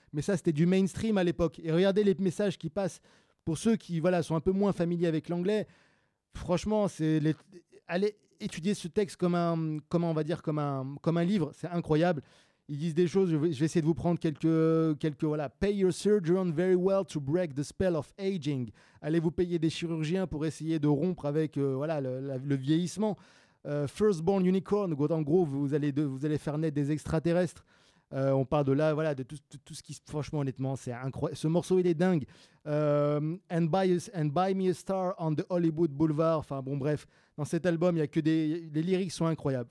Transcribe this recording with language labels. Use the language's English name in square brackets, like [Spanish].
[French] Mais ça, c'était du mainstream à l'époque. Et regardez les messages qui passent. Pour ceux qui voilà, sont un peu moins familiers avec l'anglais, franchement, allez étudier ce texte comme un livre. C'est incroyable. Ils disent des choses. Je vais essayer de vous prendre quelques voilà. [English] Pay your surgeon very well to break the spell of aging. [French] Allez vous payer des chirurgiens pour essayer de rompre avec le vieillissement. [English] Firstborn unicorn. [French] Donc, en gros, vous allez faire naître des extraterrestres. On parle de là, voilà, de tout ce qui, franchement, honnêtement, c'est incroyable. Ce morceau, il est dingue. [English] And buy me a star on the Hollywood Boulevard. [French] Enfin, bon, bref, dans cet album, il y a que les lyrics sont incroyables.